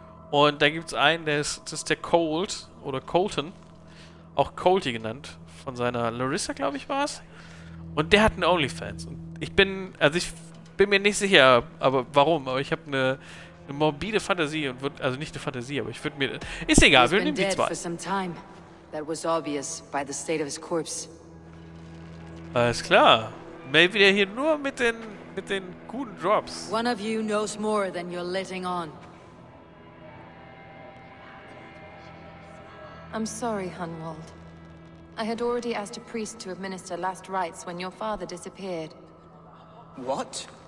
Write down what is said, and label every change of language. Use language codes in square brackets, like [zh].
[de] Und da gibt es einen, das ist der Colt. Oder Colton. Auch Colty genannt. Von seiner Larissa, glaube ich, war es. Und der hat einen OnlyFans. Und ich bin mir nicht sicher, aber warum? Aber ich habe eine morbide Fantasie und würde, also nicht eine Fantasie, aber ich würde mir. Ist egal, wir nehmen die zwei. [en] For some time. That was obvious by the state of his corpse. [de] Alles klar. Maybe er hier nur mit den guten Drops. [en] One of you knows more than you're letting on. I'm sorry, Hunwald. I had already asked a priest to administer last rites when your father disappeared. What?